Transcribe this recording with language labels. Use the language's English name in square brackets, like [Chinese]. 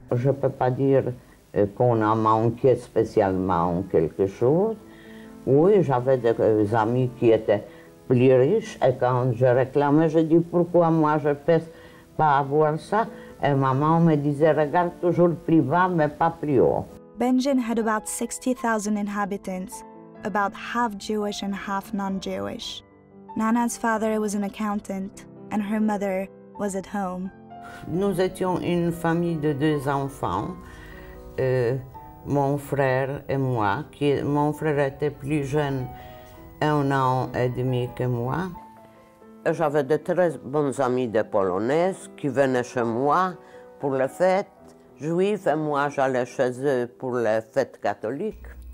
[French] Je peux pas dire qu'on a manqué spécialement quelque chose. Oui, j'avais des amis qui étaient plus riches et quand je réclamais, je dis pourquoi moi je peux pas avoir ça. Et maman me disait, regarde toujours plus bas, mais pas plus haut. [English] Benjin had about 60,000 inhabitants, about half Jewish and half non-Jewish. Nana's father was an accountant, and her mother was at home. [French] Nous étions une famille de 2 enfants, mon frère et moi. Mon frère était plus jeune, 1 an et demi que moi. J'avais de très bons amis de Polonaises qui venaient chez moi pour les fêtes juives et moi j'allais chez eux pour les fêtes catholiques.